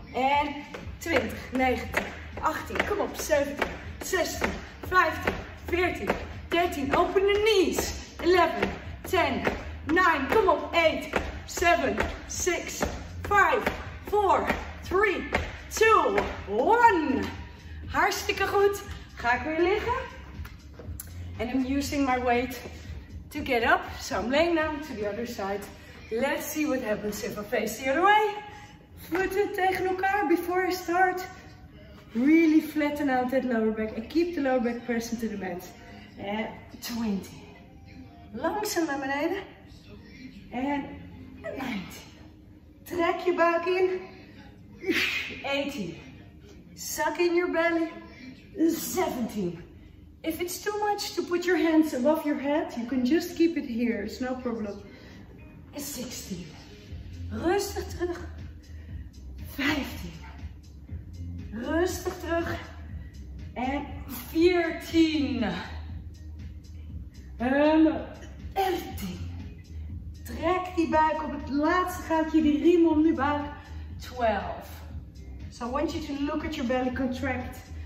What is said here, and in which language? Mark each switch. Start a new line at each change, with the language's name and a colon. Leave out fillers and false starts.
English: And 20, 19, 18, come on, 17, 16, 15, 14, 13, open the knees, 11, 10, 9, come on, 8, 7, 6, 5, 4, 3, 2, 1.
Dutch: Hartstikke goed. Ga ik weer liggen.
English: And I'm using my weight to get up. So I'm laying down to the other side. Let's see what happens if I face the other way.
Dutch: Voeten tegen elkaar
English: before I start. Really flatten out that lower back and keep the lower back pressing to the mat. And 20.
Dutch: Langzaam naar beneden.
English: And 19.
Dutch: Trek je buik in. 18.
English: Suck in your belly. 17. If it's too much to put your hands above your head, you can just keep it here. It's no problem. And 16.
Dutch: Rustig terug.
English: 15.
Dutch: Rustig terug. En 14. En 11. Trek die buik op het laatste gaatje, die riem om de buik. 12.
English: So I want you to look at your belly contract.